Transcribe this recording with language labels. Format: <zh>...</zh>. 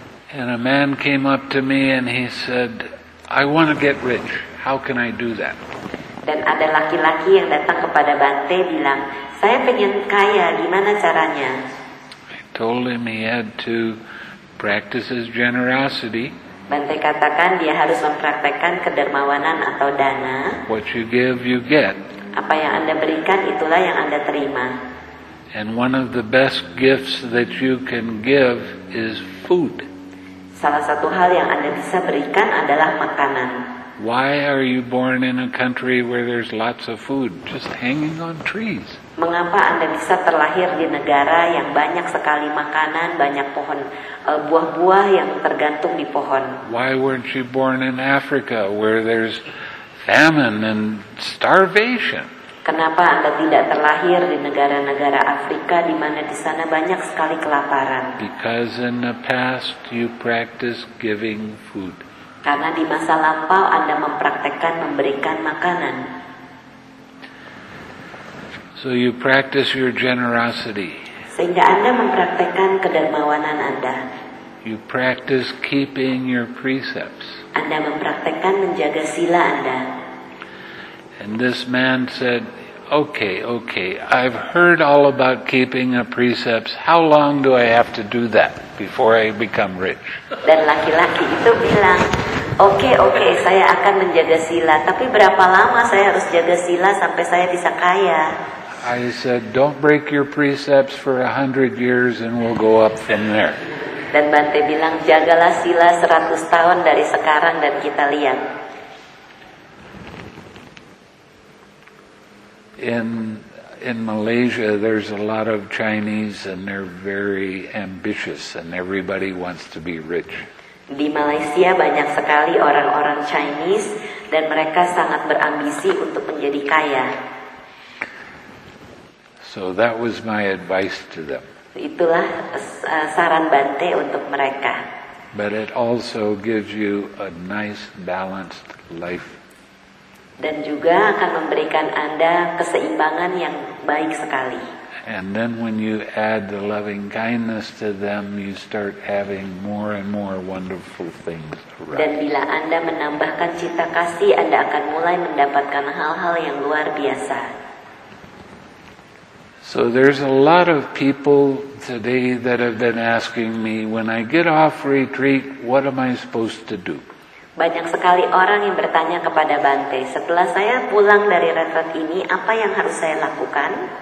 <en>And a man came up to me and he said, "I want to get rich. How can I do that?"</en> <id>Dan ada laki-laki yang datang kepada Bante bilang, "Saya pengen kaya, gimana caranya?"</id> <en>I told him he had to practices generosity.</en> <id>Bante katakan dia harus mempraktekkan kedermawanan atau dana.</id> <en>What you give, you get.</en> <id>Apa yang Anda berikan, itulah yang Anda terima.</id> <en>And one of the best gifts that you can give is food.</en> <id>Salah satu hal yang Anda bisa berikan adalah makanan.</id> <en>Why are you born in a country where there's lots of food just hanging on trees?</en> <id>Mengapa Anda bisa terlahir di negara yang banyak sekali makanan, banyak pohon buah-buah yang tergantung di pohon?</id> <en>Why weren't you born in Africa where there's famine and starvation?</en> <id>Kenapa Anda tidak terlahir di negara-negara Afrika di mana di sana banyak sekali kelaparan?</id> <en>Because in the past you practiced giving food.</en> <id>Karena di masa lampau Anda mempraktekkan memberikan makanan.</id> <en>So you practice your generosity.</en> <id>Sehingga Anda mempraktikkan kedermawanan Anda.</id> <en>You practice keeping your precepts.</en> <id>Anda mempraktikkan menjaga sila Anda.</id> <en>And this man said, Okay, I've heard all about keeping a precepts. How long do I have to do that before I become rich?</en> <id>Dan laki-laki itu bilang, Okay, saya akan menjaga sila. Tapi berapa lama saya harus jaga sila sampai saya bisa kaya?</id> <en>I said, don't break your precepts for 100 years and we'll go up from there.</en> <id>Dan Bante bilang, jagalah sila 100 tahun dari sekarang dan kita lihat.</id> <en>In Malaysia, there's a lot of Chinese and they're very ambitious and everybody wants to be rich.</en> <id>Di Malaysia banyak sekali orang-orang Chinese dan mereka sangat berambisi untuk menjadi kaya.</id> <en>So that was my advice to them.</en> <id>Itulah saran Bante untuk mereka.</id> <en>But it also gives you a nice balanced life.</en> <id>Dan juga akan memberikan Anda keseimbangan yang baik sekali.</id> <en>And then when you add the loving kindness to them, you start having more and more wonderful things around.</en> <id>Dan bila Anda menambahkan cinta kasih, Anda akan mulai mendapatkan hal-hal yang luar biasa.</id> <en>So there's a lot of people today that have been asking me, when I get off retreat, what am I supposed to do?</en> <id>Banyak sekali orang yang bertanya kepada Bante, setelah saya pulang dari retreat ini, apa yang harus saya lakukan?</id>